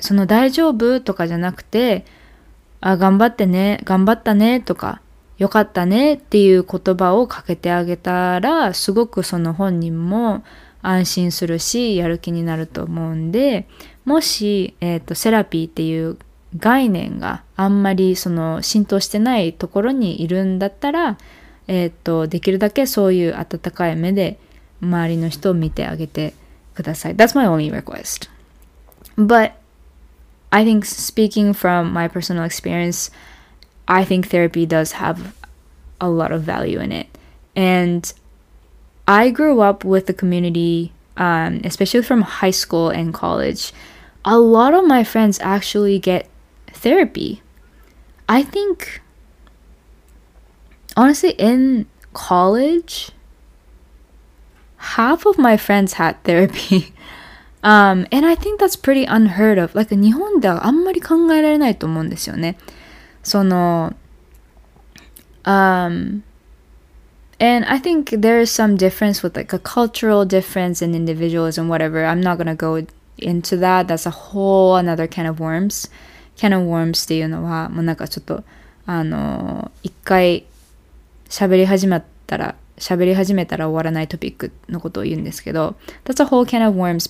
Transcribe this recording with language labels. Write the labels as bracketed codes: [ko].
[ja] その大丈夫とかじゃなくて、あ、頑張ってね、頑張ったねとか、よかったねっていう言葉をかけてあげたら、すごくその本人も安心するし、やる気になると思うんで、もし、セラピーっていう概念があんまりその浸透してないところにいるんだったら、できるだけそういう温かい目で周りの人を見てあげてください。 [en] That's my only request. But I think speaking from my personal experience, I think therapy does have a lot of value in it. And I grew up with the community, especially from high school and college. A lot of my friends actually get therapy. I think, honestly, in college, half of my friends had therapy. And I think that's pretty unheard of. [ja] Like, 日本ではあんまり考えられないと思うんですよね。 [en] その、And I think there is some difference with like a cultural difference in individualism, whatever. I'm not going to go into that. That's a whole another can of worms. [ja] Can of worms っていうのは、もうなんかちょっと、一回喋り始まったら、喋り始めたら終わらないトピックのことを言うんですけど、 [en] That's a whole can of worms.